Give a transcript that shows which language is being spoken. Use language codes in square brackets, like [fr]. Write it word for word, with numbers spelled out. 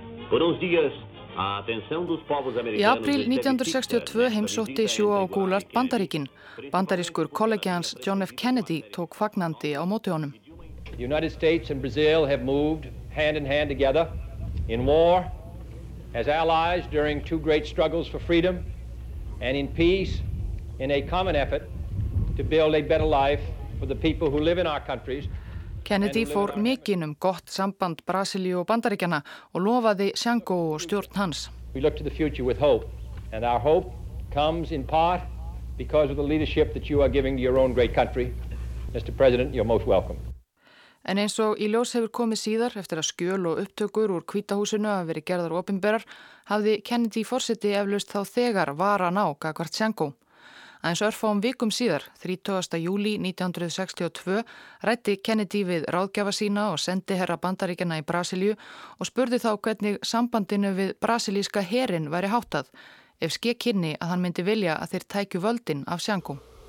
[pt] Por uns dias, a atenção dos povos americanos... [is] Í apríl nítján hundruð sextíu og tvö heimsótti João Goulart Bandaríkin. Bandarískur kollegi hans John F. Kennedy tók fagnandi á móti honum. [en] The United States and Brazil have moved hand in hand together in war, as allies during two great struggles for freedom, and in peace in a common effort to build a better life for the people who live in our countries. [is] Kennedy fór mikinn um gott samband Brasilíu og Bandaríkjanna og lofaði Xangó og stjórn hans. [en] We look to the future with hope, and our hope comes in part because of the leadership that you are giving to your own great country. Mister President, you're most welcome. [is] En eins og í ljós hefur komið síðar eftir að skjöl og upptökur úr Hvítahúsinu hafi verið gerðar opinberar, hafði Kennedy forseti eflaust þá þegar varan á gagnvart Tsjango. Aðeins örfáum vikum síðar, þrítugasta júlí nítján sextíu og tvö, ræddi Kennedy við ráðgjafa sína og sendi herra Bandaríkjana í Brasilíu og spurði þá hvernig sambandinu við brasilíska herin væri háttað, ef ske kynni að hann myndi vilja að þeir tækju völdin af Tsjango.